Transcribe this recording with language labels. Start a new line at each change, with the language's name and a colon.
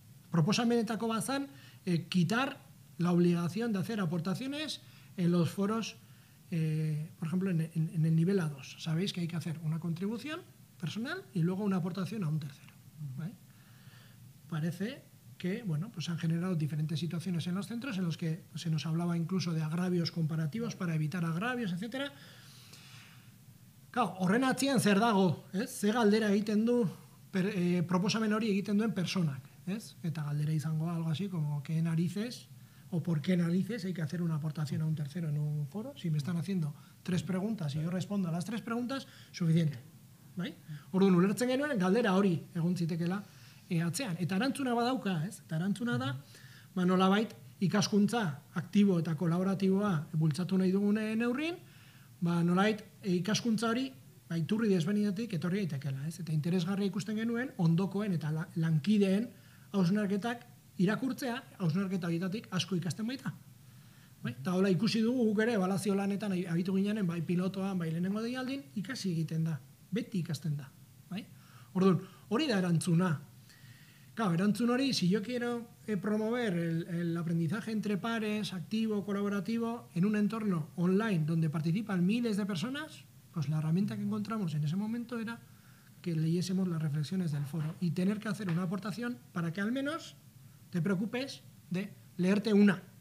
Basque: Proposamenetako bazan
Spanish: quitar la obligación de hacer aportaciones en los foros, por ejemplo, en el nivel A2. Sabéis que hay que hacer una contribución personal y luego una aportación a un tercero. ¿Vale? Parece que se han generado diferentes situaciones en los centros en los que se nos hablaba incluso de agravios comparativos para evitar agravios, etcétera.
Basque: Claro, horren atzean zer dago, ez? Ze galdera egiten du proposamen hori egiten duen personak, ez? Eta galdera izango
Spanish: algo así como qué narices o por qué narices hay que hacer una aportación a un tercero en un foro, si me están haciendo tres preguntas y yo respondo a las tres preguntas, suficiente, ¿bai?
Basque: Orduan ulertzen genuen galdera hori egon zitekeela atzean eta erantzuna badauka, ez? Eta erantzuna da, ba nolabait ikaskuntza aktibo eta kolaboratiboa bultzatu nahi dugun neurrin, ba nolabait ikaskuntza hori ba iturri desberdinetik etorri daitekeela, ez? Eta interesgarria ikusten genuen ondokoen eta lankideen hausnarketak irakurtzea, hausnarketa horietatik asko ikasten baita. Bai? Ta hola ikusi dugu guk ere ebaluazio lanetan abitu ginenen bai pilotoan, bai lehenengo deialdin ikasi egiten da. Beti ikasten da, bai? Orduan, hori da erantzuna.
Spanish: Claro,
Basque: erantzun hori,
Spanish: si yo quiero promover el aprendizaje entre pares, activo, colaborativo, en un entorno online donde participan miles de personas, pues la herramienta que encontramos en ese momento era que leyésemos las reflexiones del foro y tener que hacer una aportación para que al menos te preocupes de leerte una.